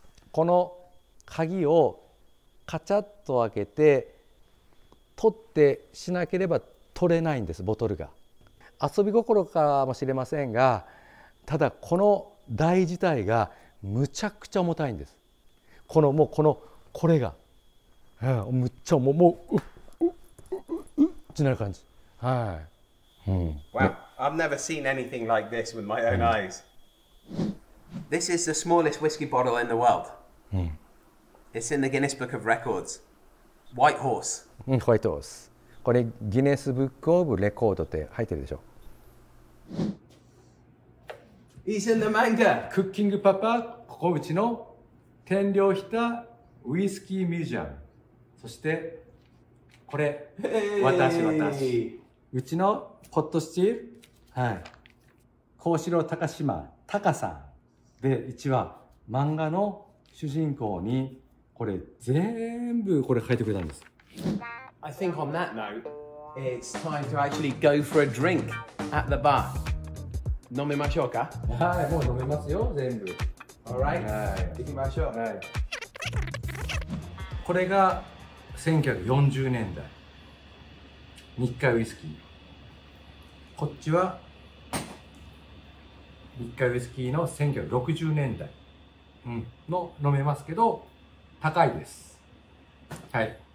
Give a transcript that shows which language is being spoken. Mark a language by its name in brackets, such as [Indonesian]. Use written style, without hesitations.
[Japanese] この鍵をカチャッと開けて取ってしなければ取れないんですボトルが遊び心かもしれませんがただこの台自体がむちゃくちゃ重たいんです。このもうこのこれが、はい、むっちゃもうもうってなる感じ。はい。うん。 [English] Wow,、ね、I've never seen anything like this with my own eyes.、うん、this is the smallest whiskey bottle in the world.、 [Japanese] うん、 [English] It's in the Guinness Book of Records. White Horse. [Japanese] うん、ホワイトホース。これギネスブックオブレコードって入ってるでしょ。 [English] He's in the manga. [Japanese] Cooking Papa, ここうちの Tenryo Hita Whisky Museum. そしてこれ、 [English] hey. [Japanese] 私私うちのポットスチール、はい、高城高島高さんで一話漫画の主人公にこれ全部これ書いてくれたんです。 [English] I think on that note, it's time to actually go for a drink at the bar. [Japanese] 飲みましょうか。はい、もう飲めますよ、全部。 [English] All right、 [Japanese] はい、行きましょう。はい。これが1940年代日海ウイスキー。こっちは日海ウイスキーの1960年代、うん、の飲めますけど高いです。はい。